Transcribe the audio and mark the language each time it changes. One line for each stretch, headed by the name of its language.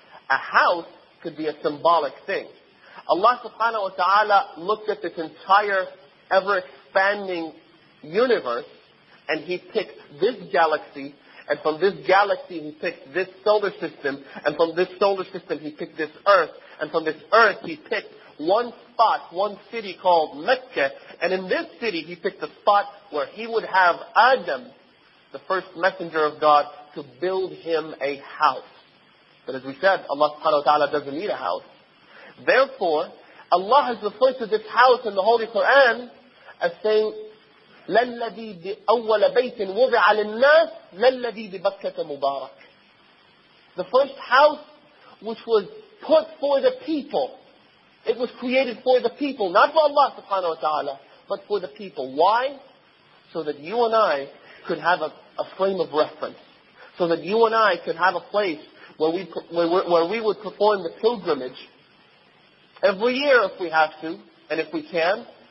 English: A house could be a symbolic thing. Allah subhanahu wa ta'ala looked at this entire ever-expanding universe, and he picked this galaxy, and from this galaxy he picked this solar system, and from this solar system he picked this earth, and from this earth he picked one spot, one city called Mecca, and in this city he picked a spot where he would have Adam, the first messenger of God, to build him a house. But as we said, Allah subhanahu wa ta'ala doesn't need a house. Therefore, Allah has referred to this house in the Holy Quran as saying,
Arabic: للذي أول بيت وضع للناس للذي ببكة مبارك.
English: The first house which was put for the people. It was created for the people, not for Allah subhanahu wa ta'ala, but for the people. Why? So that you and I could have a frame of reference. So that you and I could have a place where we would perform the pilgrimage every year if we have to, and if we can.